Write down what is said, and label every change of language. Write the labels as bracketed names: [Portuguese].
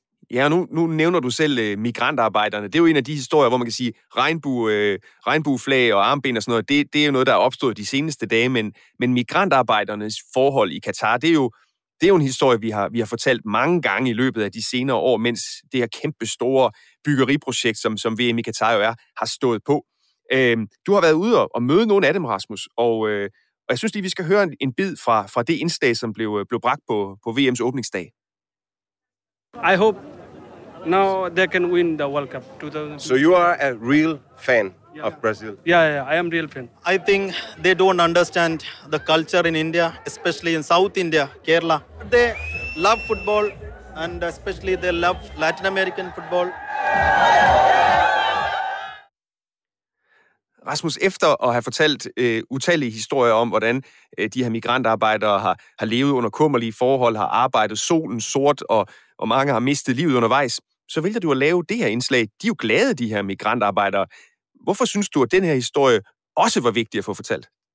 [Danish] Ja, nu nævner du selv migrantarbejderne. Det er jo en af de historier, hvor man kan sige, regnbueflag og armbind og sådan noget, det er jo noget, der er opstået de seneste dage, men migrantarbejdernes forhold i Katar, det er jo en historie, vi har fortalt mange gange i løbet af de senere år, mens det her kæmpe store byggeriprojekt, som VM i Katar jo er, har stået på. Du har været ude og møde nogle af dem, Rasmus, og jeg synes lige, vi skal høre en bid fra det indslag, som blev bragt på VM's åbningsdag. [English] I hope now they can win the World Cup 2000. So you are a real fan of Brazil? Yeah, I am real fan. I think they don't understand the culture in India, especially in South India, Kerala. They love football and especially they love Latin American football. [Danish] Rasmus, efter at have fortalt utallige historier om, hvordan de her migrantarbejdere har levet under kummerlige forhold, har arbejdet solen sort, og mange har mistet livet undervejs, så vælger du at lave det her indslag. De er jo glade, de her migrantarbejdere. Hvorfor synes du, at den her historie også var vigtig at få fortalt?